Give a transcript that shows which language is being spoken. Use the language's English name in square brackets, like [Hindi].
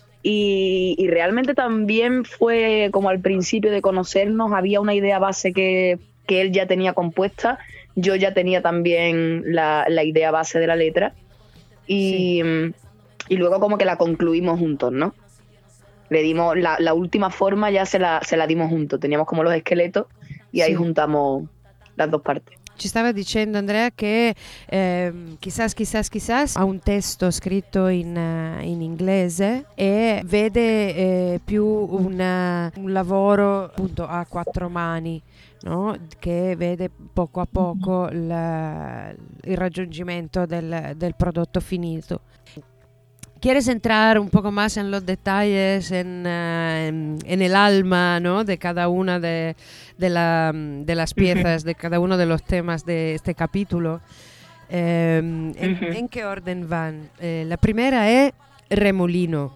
[Spanish] Y realmente también fue como al principio de conocernos, había una idea base que él ya tenía compuesta, yo ya tenía también la idea base de la letra, y, sí. Y luego como que la concluimos juntos, ¿no? Le dimos la última forma, ya se la dimos juntos, teníamos como los esqueletos y ahí sí. Juntamos las dos partes. [Italian] Ci stava dicendo Andrea che chissà, chissà, chissà, ha un testo scritto in inglese e vede più un lavoro appunto a 4 mani, no? Che vede poco a poco il raggiungimento del prodotto finito. [Spanish] ¿Quieres entrar un poco más en los detalles, en el alma, ¿no? De cada una de las piezas, de cada uno de los temas de este capítulo? ¿En qué orden van? La primera es Remolino.